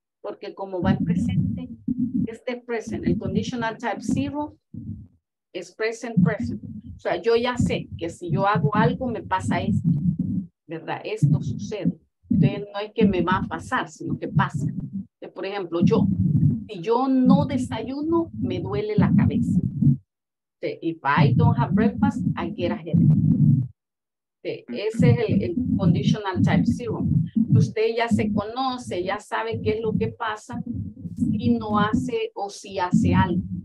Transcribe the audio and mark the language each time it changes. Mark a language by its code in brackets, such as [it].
[es] Porque como va en presente, este es present. El conditional type zero es present, present. O sea, yo ya sé que si yo hago algo, me pasa esto. ¿Verdad? Esto sucede. Entonces, no es que me va a pasar, sino que pasa. Entonces, por ejemplo, yo, si yo no desayuno, me duele la cabeza. Entonces, [en] if I don't have breakfast, I get a headache. [es] Entonces, ese es el conditional type zero. Usted ya se conoce, ya sabe qué es lo que pasa si no hace o si hace algo.